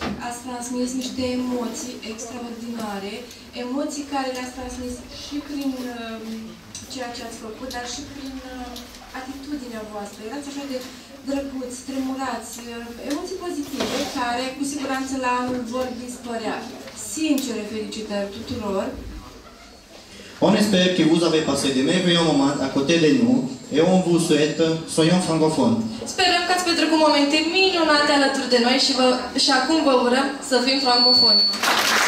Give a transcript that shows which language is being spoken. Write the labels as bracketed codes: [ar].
[ro] Ați transmis niște emoții extraordinare, emoții care le-ați transmis și prin ceea ce ați făcut, dar și prin atitudinea voastră. Erați așa de drăguți, tremurați, emoții pozitive, care cu siguranță la anul vor dispărea. Sincere felicitări tuturor! [fr] On espère que vous avez passé de merveilleux moments à côté de nous et on vous souhaite soyons francophones. [ro] Sperăm că ați petrecut momente minunate alături de noi și acum vă urăm să fim francophones.